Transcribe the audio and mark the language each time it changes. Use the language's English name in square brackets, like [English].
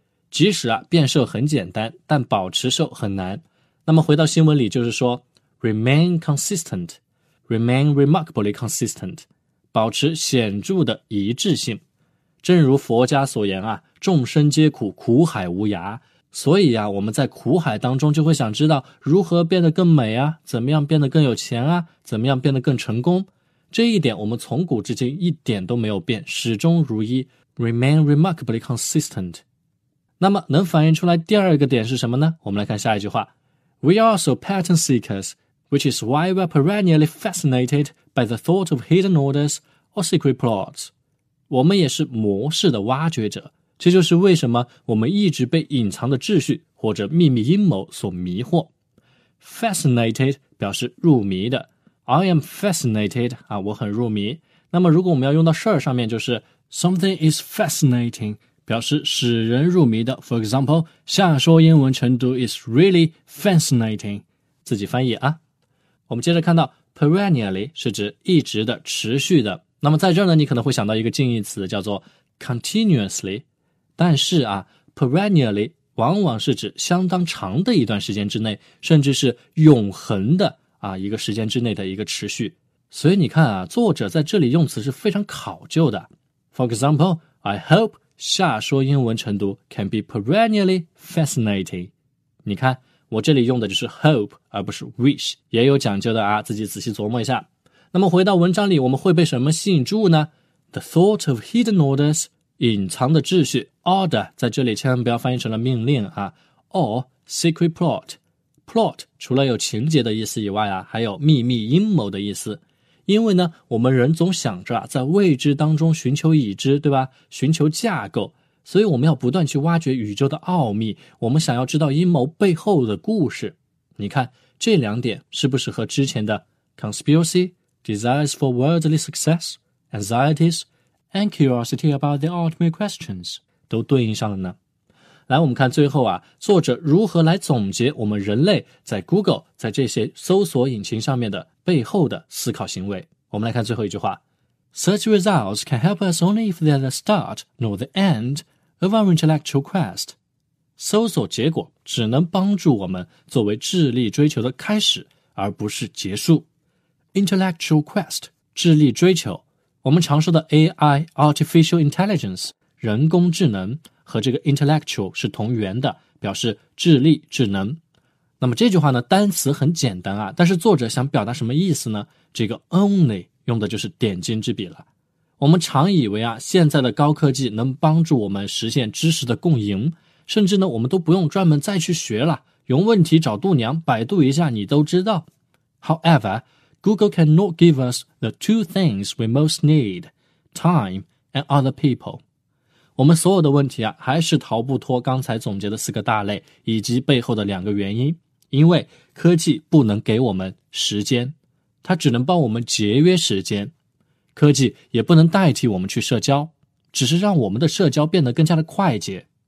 [Chinese] 即使啊，变瘦很简单，但保持瘦很难。那么回到新闻里就是说， [English] remain consistent, remain remarkably consistent, [Chinese] 保持显著的一致性。正如佛家所言啊，众生皆苦，苦海无涯。所以啊，我们在苦海当中就会想知道如何变得更美啊，怎么样变得更有钱啊，怎么样变得更成功。这一点我们从古至今一点都没有变，始终如一， [English] remain remarkably consistent。 [Chinese] 那么能反映出来第二个点是什么呢？我们来看下一句话。 [English] We are also pattern seekers, which is why we are perennially fascinated by the thought of hidden orders or secret plots。 [Chinese] 我们也是模式的挖掘者，这就是为什么我们一直被隐藏的秩序或者秘密阴谋所迷惑。 Fascinated 表示入迷的， [English] I am fascinated [Chinese] 啊，我很入迷。那么如果我们要用到事儿上面，就是 [English] Something is fascinating [Chinese] 表示使人入迷的。 For example， 下说英文晨读 [English] is really fascinating， [Chinese] 自己翻译啊。我们接着看到 perennially 是指一直的、持续的。那么在这呢，你可能会想到一个近义词叫做 continuously， 但是啊， perennially 往往是指相当长的一段时间之内，甚至是永恒的啊一个时间之内的一个持续。所以你看啊，作者在这里用词是非常考究的。 [English] For example， I hope [Chinese] 下说英文晨读 [English] can be perennially fascinating。 [Chinese] 你看我这里用的就是 hope 而不是 wish， 也有讲究的啊，自己仔细琢磨一下。那么回到文章里，我们会被什么吸引住呢？ [English] The thought of hidden orders， [Chinese] 隐藏的秩序， order 在这里千万不要翻译成了命令啊。 [English] or secret plot， [Chinese] plot 除了有情节的意思以外啊，还有秘密阴谋的意思。因为呢，我们人总想着啊，在未知当中寻求已知，对吧？寻求架构，所以我们要不断去挖掘宇宙的奥秘，我们想要知道阴谋背后的故事。你看这两点是不是和之前的 conspiracy、 [English] desires for worldly success, anxieties, and curiosity about the ultimate questions [Chinese] 都对应上了呢？来，我们看最后啊，作者如何来总结我们人类在 Google、 在这些搜索引擎上面的背后的思考行为。我们来看最后一句话。 [English] Search results can help us only if they are the start nor the end of our intellectual quest. [Chinese] 搜索结果只能帮助我们作为智力追求的开始，而不是结束。 Intellectual quest, 智力追求。我们常说的 AI, Artificial Intelligence, 人工智能和这个 intellectual 是同源的，表示智力、智能。那么这句话呢，单词很简单啊，但是作者想表达什么意思呢？这个 only 用的就是点睛之笔了。我们常以为啊，现在的高科技能帮助我们实现知识的共赢，甚至呢，我们都不用专门再去学了，用问题找度娘，百度一下你都知道。 [English] However, Google cannot give us the two things we most need, time and other people. [Chinese] 我们所有的问题啊，还是逃不脱刚才总结的四个大类以及背后的两个原因，因为科技不能给我们时间，它只能帮我们节约时间，科技也不能代替我们去社交，只是让我们的社交变得更加的快捷。